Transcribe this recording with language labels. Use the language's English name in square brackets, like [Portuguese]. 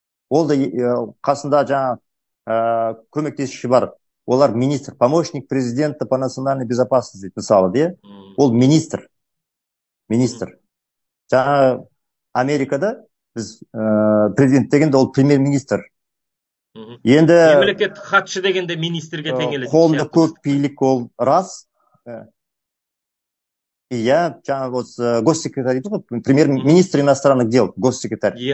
[Kazakh] Ол да қасында көмектесуші бар. Олар министр, [Russian] помощник президента по национальной безопасности, [Kazakh] мысалы, де? Ол министр. Министр. Америкада біз президент дегенде ол премьер-министр. Енді мемлекет хатшы дегенде министрге тең келеді. Қолында көп билік ол рас. [Russian] И я, госсекретарь, например, министр иностранных дел, госсекретарь.